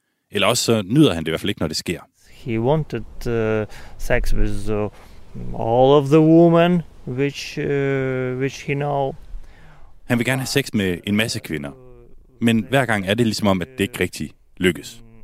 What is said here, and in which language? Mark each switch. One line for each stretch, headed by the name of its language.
Danish: Eller også så nyder han det i hvert fald ikke, når det sker.
English: He wanted sex with all of the women which he know.
Danish: Han vil gerne have sex med en masse kvinder, men hver gang er det ligesom om, at det ikke rigtig lykkes.